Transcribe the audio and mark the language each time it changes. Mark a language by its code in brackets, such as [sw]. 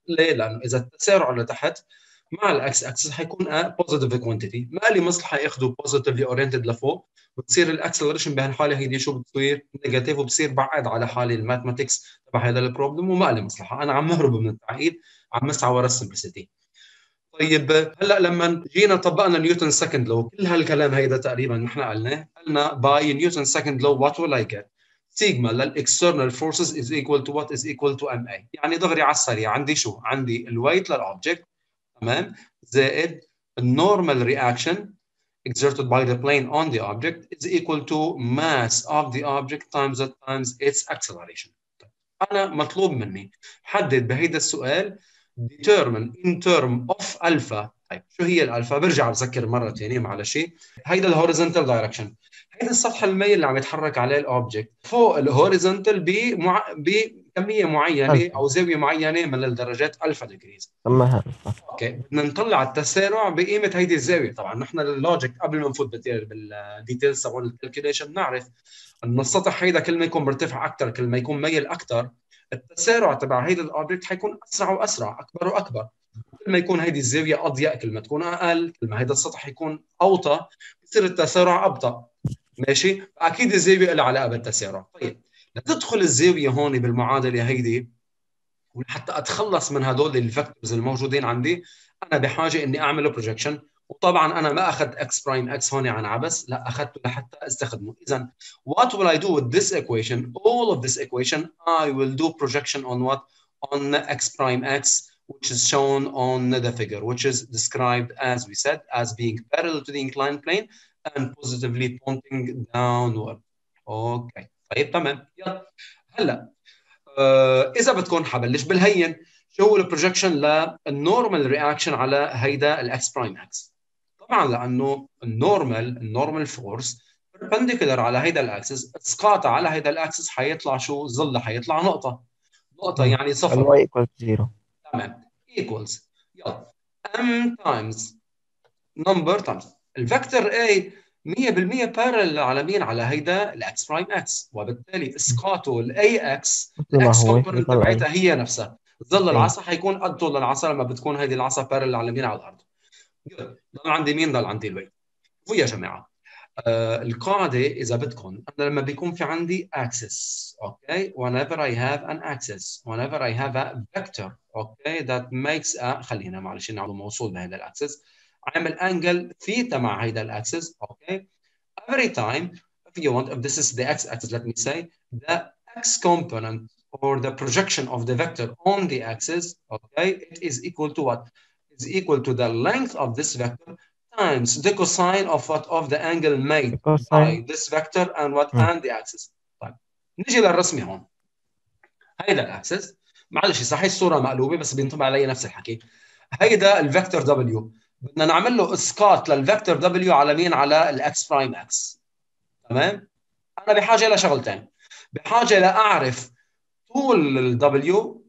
[ar] ليه؟ لأنه إذا التسارع لتحت مع الاكس اكسس حيكون positive quantity، ما لي مصلحة ياخده [en] positively oriented [ar] لفوق، بتصير الاكسلريشن بهالحاله هيدي شو بتصير؟ نيجاتيف، وبصير بعيد على حالي الماثماتكس تبع هذا البروبلم، وما لي مصلحه، انا عم اهرب من التعقيد، عم اسعى ورا السمبلسيتي. طيب هلا لما جينا طبقنا نيوتن سكند لو، كل هالكلام هيدا تقريبا نحن قلنا باي نيوتن سكند لو، [en] What will I get? Sigma للاكسترنال forces is equal to what? Is equal to m a. [ar] يعني دغري على السريع، عندي شو؟ عندي الويت للاوبجكت تمام زائد النورمال رياكشن [en] exerted by the plane on the object is equal to mass of the object times the times its acceleration. [ar] أنا مطلوب مني حدد بهيدا السؤال [en] determine in term of alpha. [ar] طيب شو هي الالفا؟ برجع بذكر مرة تانية معلشي، هيدا ال [en] horizontal direction، [ar] هيدا السطح الميل اللي عم يتحرك عليه الأوبجكت فوق ال horizontal بكمية معينة أو زاوية معينة من الدرجات ألفا degrees. أوكي، بدنا نطلع التسارع بقيمة هيدي الزاوية. طبعا نحن اللوجيك قبل ما نفوت بالديتيلز تبعون الكالكوليشن نعرف أن السطح هيدا كل ما يكون مرتفع أكثر، كل ما يكون ميل أكثر، التسارع تبع هيدا الأوبجكت حيكون أسرع وأسرع، أكبر وأكبر. كل ما يكون هيدي الزاوية أضيق، كل ما تكون أقل، كل ما هيدا السطح يكون أوطى، بصير التسارع أبطأ. ماشي؟ أكيد الزاوية لها علاقة بالتسارع. طيب لتدخل الزاوية هون بالمعادلة هيدي، وحتى أتخلص من هدول الفكتورز الموجودين عندي، أنا بحاجة إني أعمل بروجكشن. وطبعا أنا ما أخذت X برايم X هون عن عبس، لا أخذته لحتى أستخدمه. [en] إذن what will I do with this equation, all of this equation I will do projection on what? On X prime X, which is shown on the figure, which is described as we said as being parallel to the inclined plane and positively pointing downward. [ar] Okay. طيب تمام. هلا اذا بتكون حبلش بالهين، شو هو البروجكشن للنورمال رياكشن على هيدا الاكس برايم اكس؟ طبعا لانه النورمال فورس بيربنديكولار على هيدا الاكسس، اسقاط على هيدا الاكسس حيطلع شو؟ ظل، حيطلع نقطه يعني صفر. الواي ايكوال زيرو. تمام. [en] Equals m times number times الفكتور a 100% parallel [ar] على مين؟ على هيدا ال [en] x prime x، [ar] وبالتالي اسقاطه ال [en] a x component [ar] تبعتها هي نفسها، ظل العصا حيكون قد طول العصا لما بتكون هيدي العصا parallel على مين؟ على الارض. ضل عندي مين؟ ضل عندي الوي. شوفوا يا جماعه القاعده، اذا بدكم انا لما بيكون في عندي axis، [en] okay whenever I have an axis, whenever I have a vector, okay that makes a، [ar] خلينا معلش نعمل موصول بهذا الاكسس، عامل انجل ثيتا مع هيدا الاكسس، [en] okay every time if you want, if this is the x axis let me say the x component or the projection of the vector on the axis, okay it is equal to what? Is equal to the length of this vector times the cosine of what? Of the angle made by this vector and what? And the axis. [ar] طيب نجي للرسم هون، هيدا الاكسس، معلش صحيح الصوره مقلوبه بس بينطبع علي نفس الحكي، هيدا الفيكتور W، بدنا نعمل له اسقاط للفيكتور W على مين؟ على الاكس برايم اكس. تمام، انا بحاجه لشغلتين، بحاجه لاعرف طول ال W،